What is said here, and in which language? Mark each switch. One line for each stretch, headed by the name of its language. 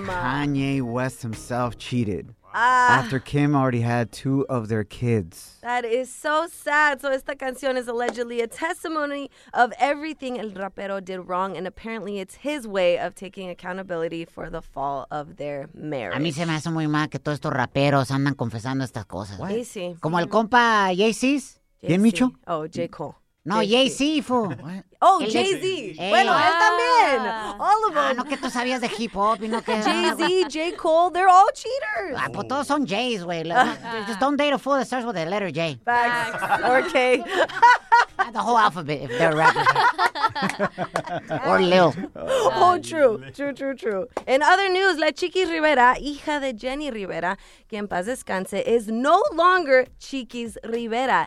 English: It is. Kanye West himself cheated. After Kim already had 2 of their kids. That is so sad. So
Spanish: esta canción
English: is allegedly a testimony of everything
Spanish: el rapero
English: did wrong. And apparently it's his way of taking accountability for the fall of their marriage.
Spanish: A mí se me hace muy mal que todos estos raperos andan confesando estas cosas.
English: What? Jay-Z.
Spanish: Como el compa Jay-Z. ¿Quién, Micho?
English: Oh, J. Cole.
Spanish: No, Jay-Z, fo. Oh, Jay-Z. Bueno, él también.
English: All of them.
Spanish: No que tú sabías de hip-hop y no que...
English: Jay-Z, J. Cole, they're all cheaters.
Spanish: Ah, pues todos son J's, güey.
English: Just don't date a fool that starts with the letter J. Facts. Or K. The whole alphabet, if they're rapping. Or Lil. Oh, true. True, true, true. In other news, La Chiqui Rivera,
Spanish: hija de Jenny Rivera, que en paz descanse,
English: is no longer Chiqui's Rivera.